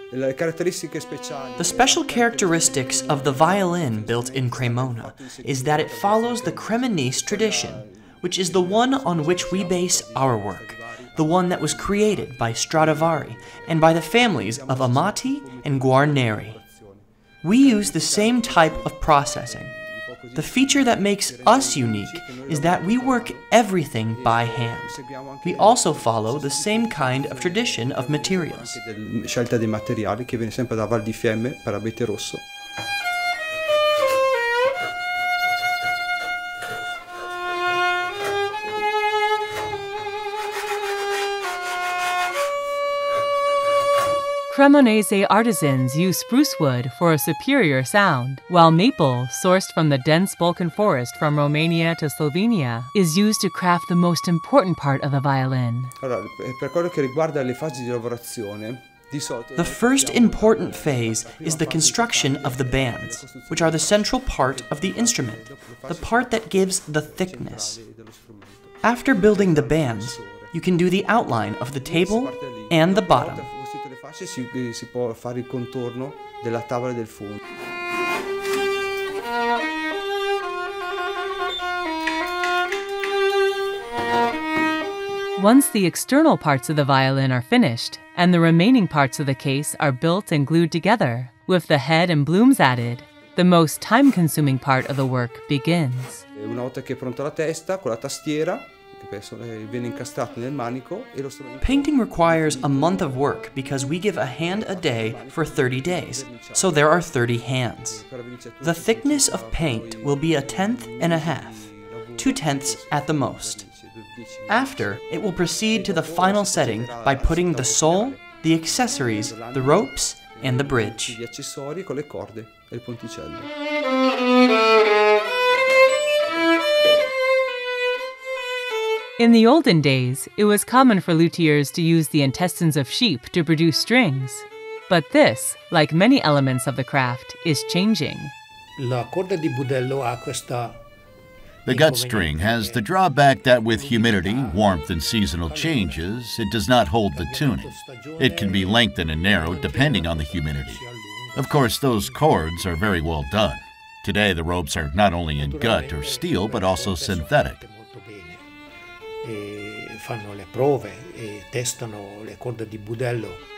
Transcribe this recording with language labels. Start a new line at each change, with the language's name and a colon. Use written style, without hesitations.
English: The special characteristics of the violin built in Cremona is that it follows the Cremonese tradition, which is the one on which we base our work, the one that was created by Stradivari and by the families of Amati and Guarneri. We use the same type of processing. The feature that makes us unique is that we work everything by hand. We also follow the same kind of tradition of materials.
Italian: Scelta dei materiali che viene sempre da Val di Fiemme per abete rosso.
English: Cremonese artisans use spruce wood for a superior sound, while maple, sourced from the dense Balkan forest from Romania to Slovenia, is used to craft the most important part of the violin. The first important phase is the construction of the bands, which are the central part of the instrument, the part that gives the thickness. After building the bands, you can do the outline of the table and the bottom.
Italian: Si può fare il contorno della tavola e del fondo.
English: Once the external parts of the violin are finished and the remaining parts of the case are built and glued together, with the head and blooms added, the most time-consuming part of the work begins.
Italian: Una volta che è pronta la testa con la tastiera.
English: Painting requires a month of work because we give a hand a day for 30 days, so there are 30 hands. The thickness of paint will be a tenth and a half, 2/10 at the most. After, it will proceed to the final setting by putting the sole, the accessories, the ropes, and the bridge. In the olden days, it was common for luthiers to use the intestines of sheep to produce strings. But this, like many elements of the craft, is changing. The gut string has the drawback that with humidity, warmth, and seasonal changes, it does not hold the tuning. It can be lengthened and narrowed depending on the humidity. Of course, those cords are very well done. Today, the ropes are not only in gut or steel, but also synthetic.
Italian: Fanno le prove e testano le corde di budello.